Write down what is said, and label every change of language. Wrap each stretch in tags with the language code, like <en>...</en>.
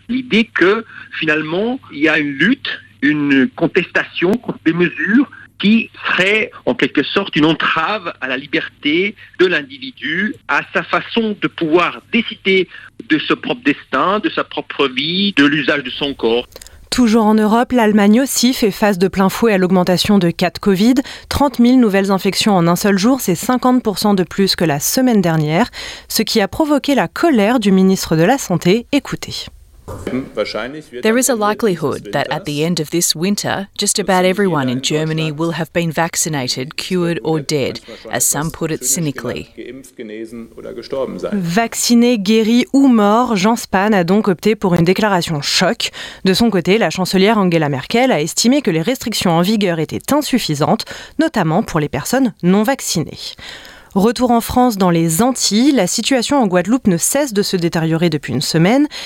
<fr>L'idée que, finalement, il y a une lutte, une contestation contre des mesures qui serait en quelque sorte une entrave à la liberté de l'individu, à sa façon de pouvoir décider de son propre destin, de sa propre vie, de l'usage de son corps. Toujours en Europe, l'Allemagne aussi fait face de plein fouet à l'augmentation de cas de Covid. 30 000 nouvelles infections en un seul jour, c'est 50% de plus que la semaine dernière, ce qui a provoqué la colère du ministre de la Santé. Écoutez.</fr> <en>There is a likelihood that at the end of this winter, just about everyone in Germany will have been vaccinated, cured or dead, as some put it cynically.</en> <fr>Vacciné, guéri ou mort, Jens Spahn a donc opté pour une déclaration choc. De son côté, la chancelière Angela Merkel a estimé que les restrictions en vigueur étaient insuffisantes, notamment pour les personnes non vaccinées. Retour en France dans les Antilles, la situation en Guadeloupe ne cesse de se détériorer depuis une semaine.</fr>